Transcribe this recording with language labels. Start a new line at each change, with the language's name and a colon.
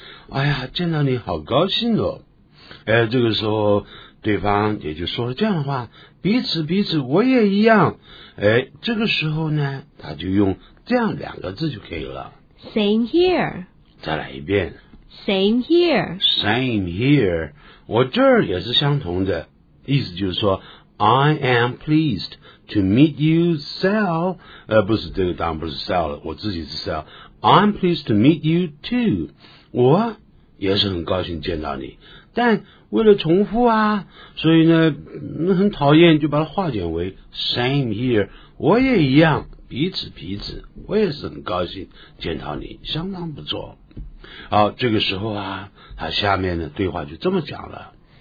Chinese: 哎呀见到你好高兴哦。这个时候对方也就说了这样的话，彼此彼此我也一样。这个时候呢他就用这样两个字就可以了。
English: Same here.
Chinese: 再来一遍。
English: Same here. Same here.
Chinese: 我这儿也是相同的。意思就是说
English: I am pleased to meet you, Sal.
Chinese: 不是，这个当然不是 Sal 了，我自己是 Sal.
English: I'm pleased to meet you, too.
Chinese: 我也是很高兴见到你。但为了重复啊，所以呢，很讨厌，就把它化简为
English: same here.
Chinese: 我也一样，彼此彼此，我也是很高兴见到你，相当不错。好，这个时候啊，他下面的对话就这么讲了。